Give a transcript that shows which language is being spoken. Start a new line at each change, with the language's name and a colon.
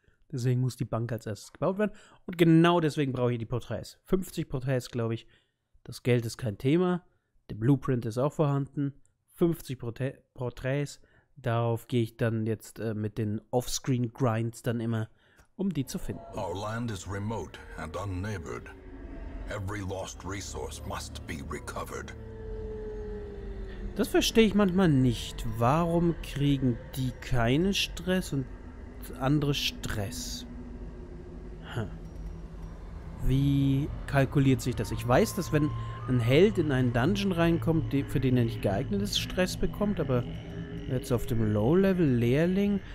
German: Deswegen muss die Bank als erstes gebaut werden. Und genau deswegen brauche ich die Porträts. 50 Porträts, glaube ich. Das Geld ist kein Thema. Der Blueprint ist auch vorhanden. 50 Porträts. Darauf gehe ich dann jetzt mit den Offscreen-Grinds dann immer, um die zu finden.
English: Our land is remote and unneighbored. Every lost resource must be recovered.
German: Das verstehe ich manchmal nicht. Warum kriegen die keinen Stress und andere Stress? Wie kalkuliert sich das? Ich weiß, dass wenn ein Held in einen Dungeon reinkommt, für den er nicht geeignet ist, Stress bekommt, aber jetzt auf dem Low-Level-Lehrling...